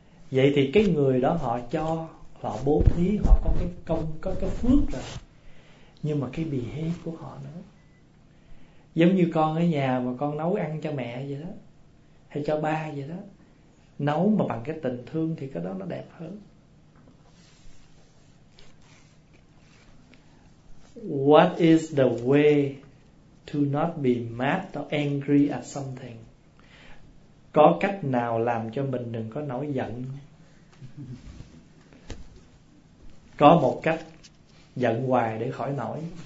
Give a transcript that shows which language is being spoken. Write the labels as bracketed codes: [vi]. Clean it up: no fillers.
[vi] Vậy thì cái người đó họ cho, họ bố thí, họ có cái công, có cái phước rồi, nhưng mà cái behavior của họ nữa. Giống như con ở nhà mà con nấu ăn cho mẹ vậy đó, hay cho ba vậy đó, nấu mà bằng cái tình thương thì cái đó nó đẹp hơn. [en] What is the way to not be mad or angry at something? [vi] Có cách nào làm cho mình đừng có nổi giận? Có một cách giận hoài để khỏi nổi.